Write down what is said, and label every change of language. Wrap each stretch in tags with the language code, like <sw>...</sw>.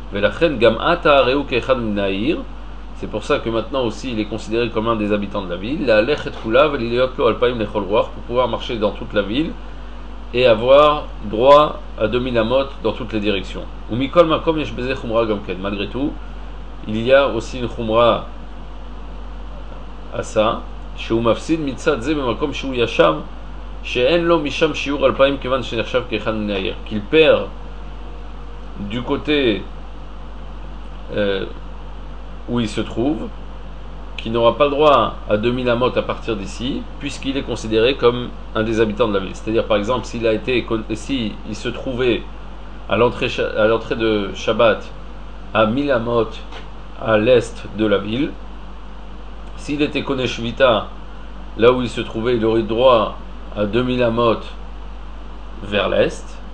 <he>Velachen gam ata areu keichad min ha'ir,</he> <fr>c'est pour ça que maintenant aussi il est considéré comme un des habitants de la ville.</fr> <he>La lech et kula veliyot lo alpaim lechol ruach,</he> <fr>pour pouvoir marcher dans toute la ville et avoir droit à 2000 amot dans toutes les directions.</fr> <he>Umikol makom yesh beze chumra gam ken,</he> <fr>malgré tout, il y a aussi une chumra à ça.</fr> <he>שהוא מפסיד מצד זה במקום שהוא ישב שאין לו משם שיעור 2000 כיוון שנחשב כאחד מן העיר.</he> <fr>Qu'il perd du côté où il se trouve, qu'il n'aura pas le droit à 2000 amot à partir d'ici, puisqu'il est considéré comme un des habitants de la ville. C'est-à-dire, par exemple, s'il se trouvait à l'entrée de Shabbat à 1000 amot à l'est de la ville, s'il était kone shvita là où il se trouvait, il aurait droit à 2000 amot vers l'est.</fr>